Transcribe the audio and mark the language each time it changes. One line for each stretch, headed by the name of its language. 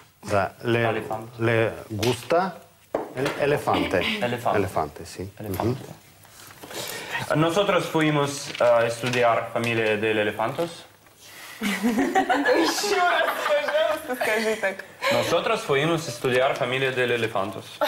Russian: Да,
Spanish: le gusta elefante. Elefante, sí. Elefante. Nosotros fuimos a estudiar familia de elefantos.
Russian: Еще раз, пожалуйста, скажи так.
Spanish: Nosotros fuimos a estudiar familia de elefantos.